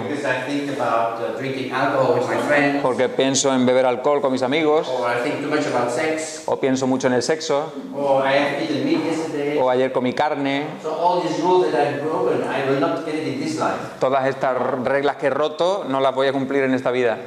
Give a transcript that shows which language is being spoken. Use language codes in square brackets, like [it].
[en] Because I think about drinking alcohol with my friends. [es] Porque pienso en beber alcohol con mis amigos. [en] Or I think too much about sex. [es] O pienso mucho en el sexo. [en] Or I have eaten meat yesterday. [es] O ayer comí carne. [en] So all these rules that I've broken, I will not get it in this life. [es] Todas estas reglas que he roto, no las voy a cumplir en esta vida.